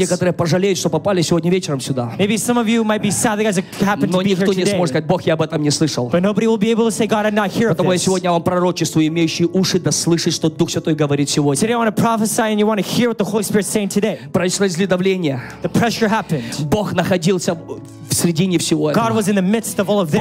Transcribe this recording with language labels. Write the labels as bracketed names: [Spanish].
[Russian] Некоторые пожалеют, что попали сегодня вечером сюда. [English] Maybe some of you might be sad that you happened to be here today. [Russian] Но никто не сможет сказать, Бог, я об этом не слышал. [English] But nobody will be able to say God did not hear [Russian] Потому [English] this. [Russian] Я сегодня вам пророчествую, имеющие уши, да слышать, что Дух Святой говорит сегодня. [English] Today I want to prophesy and you want to hear what the Holy Spirit is saying today. [Russian] Произошло давление. [English] The pressure happened. [Russian] Бог находился в средине всего этого. [English] God was in the midst of all of this.